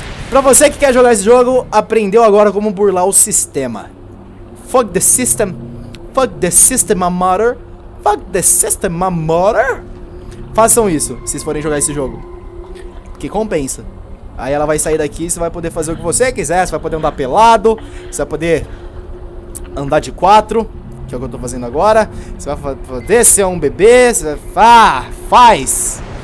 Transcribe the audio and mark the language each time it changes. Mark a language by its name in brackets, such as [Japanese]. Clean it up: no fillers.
[Portuguese] Pra você que quer jogar esse jogo, aprendeu agora como burlar o sistema. [English] Fuck the system. Fuck the system, my mother. Fuck the system, my mother. [Portuguese] Façam isso, se vocês forem jogar esse jogo. Que compensa. Aí ela vai sair daqui e você vai poder fazer o que você quiser. Você vai poder andar pelado. Você vai poder andar de quatro, que é o que eu tô fazendo agora. Você vai poder ser um bebê. Você vai... faz.